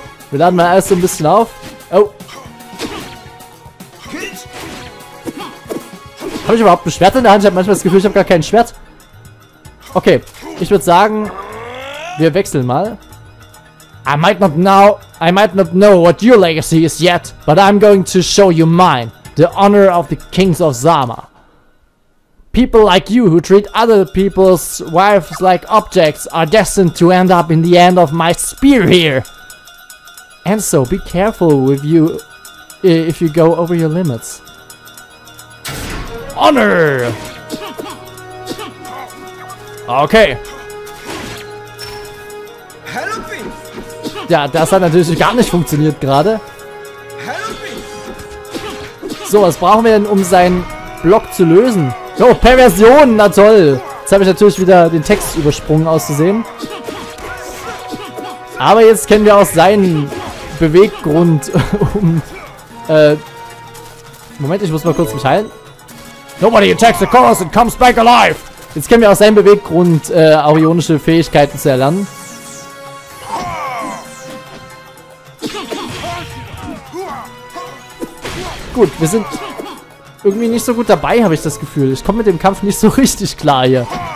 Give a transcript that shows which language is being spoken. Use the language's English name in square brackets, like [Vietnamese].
[German] Wir laden mal alles so ein bisschen auf. Oh. Habe ich überhaupt ein Schwert in der Hand? Ich habe manchmal das Gefühl, ich habe gar kein Schwert. Okay. Ich würde sagen, wir wechseln mal. [English] I might not know what your legacy is yet, but I'm going to show you mine. The honor of the kings of Zama. People like you who treat other people's wives like objects are destined to end up in the end of my spear here. And so be careful with you if you go over your limits. Honor! Okay. Help me. [German] Ja, das hat natürlich gar nicht funktioniert gerade. So, was brauchen wir denn, um seinen Block zu lösen? So, Perversion, na toll. Jetzt habe ich natürlich wieder den Text übersprungen auszusehen. Aber jetzt kennen wir auch seinen Beweggrund, um... Moment, ich muss mal kurz mich heilen. [English] Nobody attacks the chorus and comes back alive. [German] Jetzt kennen wir auch seinen Beweggrund, arionische Fähigkeiten zu erlernen. Gut, wir sind irgendwie nicht so gut dabei, habe ich das Gefühl. Ich komme mit dem Kampf nicht so richtig klar hier.